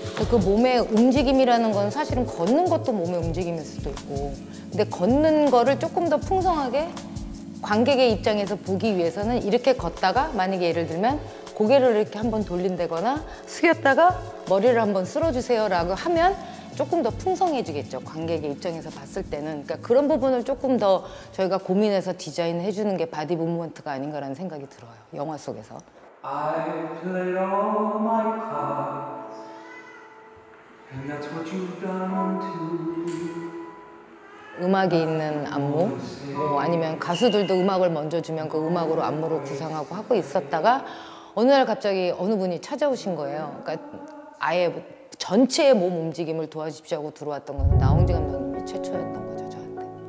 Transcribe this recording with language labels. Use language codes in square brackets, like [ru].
[ko] 그 몸의 움직임이라는 건 사실은 걷는 것도 몸의 움직임일 수도 있고, 근데 걷는 거를 조금 더 풍성하게 관객의 입장에서 보기 위해서는 이렇게 걷다가 만약에 예를 들면 고개를 이렇게 한번 돌린다거나 숙였다가 머리를 한번 쓸어주세요라고 하면 조금 더 풍성해지겠죠. 관객의 입장에서 봤을 때는. 그러니까 그런 부분을 조금 더 저희가 고민해서 디자인을 해주는 게 바디 무브먼트가 아닌가라는 생각이 들어요. 영화 속에서. [en] I play all my cards and that's what you've done too. [ko] 음악이 있는 안무, 뭐 아니면 가수들도 음악을 먼저 주면 그 음악으로 안무로 구상하고 하고 있었다가 어느 날 갑자기 어느 분이 찾아오신 거예요. 그러니까 아예 전체의 몸 움직임을 도와주십시오 하고 들어왔던 건 나홍진 감독님이 최초였던 거죠, 저한테.